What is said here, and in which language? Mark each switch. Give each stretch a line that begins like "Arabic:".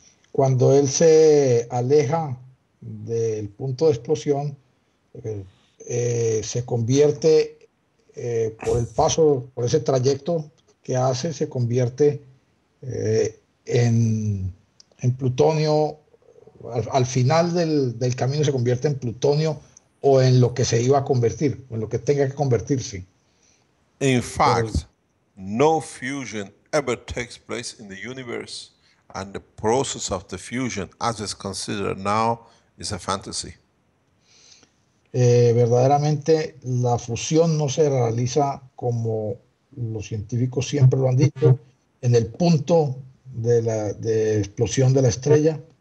Spanish: Cuando él se aleja del punto de explosión, se convierte por el paso, por ese trayecto que hace, se convierte en plutonio, al final del camino se convierte en plutonio o en lo que se iba a convertir, o en lo que tenga que convertirse.
English: In fact, no fusion ever takes place in the universe, and the process of the fusion, as is considered now, is a fantasy.
Spanish: Verdaderamente, la fusión no se realiza como los científicos siempre lo han dicho, en el punto de explosión de la estrella.